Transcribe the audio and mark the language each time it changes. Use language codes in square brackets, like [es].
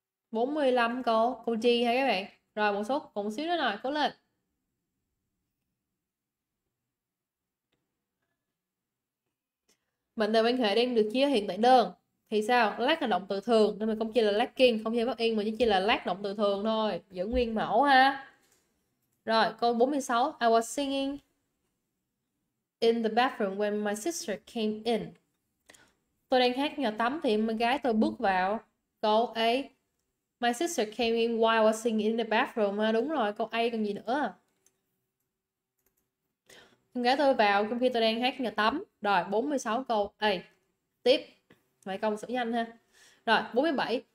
[vi] Bốn mươi lăm câu chi hay các bạn. Rồi một số cũng xíu nữa rồi, cố lên. Mệnh đề quan hệ đang được chia hiện tại đơn thì sao? Lack là động từ thường nên mình không chia là lacking, không chia bất yên mà chỉ chia là lack động từ thường thôi, giữ nguyên mẫu ha. Rồi câu 46, [en] I was singing in the bathroom when my sister came in. [vi] Tôi đang hát nhà tắm thì em gái tôi bước vào. Câu A, [en] My sister came in while I was singing in the bathroom. [vi] À, đúng rồi, câu A còn gì nữa. Con gái tôi vào trong khi tôi đang hát nhà tắm. Rồi, 46 câu. Ê, tiếp. Vậy công xử nhanh ha. Rồi, 47.